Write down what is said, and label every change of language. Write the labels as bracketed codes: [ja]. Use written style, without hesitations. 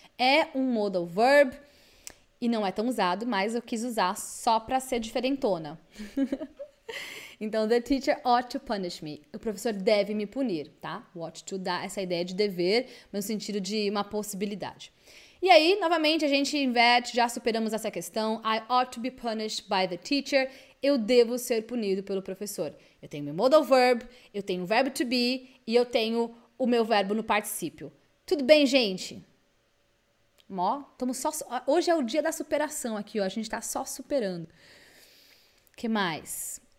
[pt] É um modal verb e não é tão usado, mas eu quis usar só para ser diferentona. Então, [en] the teacher ought to punish me. [pt] O professor deve me punir, tá? O ought to dá essa ideia de dever, mas no sentido de uma possibilidade. E aí, novamente, a gente inverte, já superamos essa questão. [en] I ought to be punished by the teacher. [pt] Eu devo ser punido pelo professor. Eu tenho meu modal verb, eu tenho o verbo to be e eu tenho o meu verbo no particípio. Tudo bem, gente? Mó, tamo só. Hoje é o dia da superação aqui, ó. A gente tá só superando. Que mais?